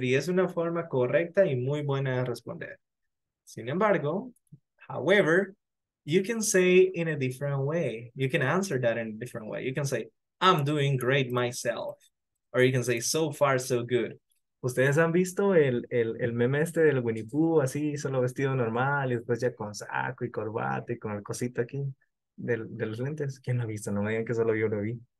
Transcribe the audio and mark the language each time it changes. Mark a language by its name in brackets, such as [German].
[Spanish] Y es una forma correcta y muy buena de responder. Sin embargo, [English] however, you can say in a different way. You can answer that in a different way. You can say, I'm doing great myself. Or you can say, so far, so good. [Spanish] ¿Ustedes han visto el meme este del Winnie Pooh, así, solo vestido normal, y después ya con saco y corbata y con el cosito aquí de los lentes? ¿Quién lo ha visto? No me digan que solo yo lo vi.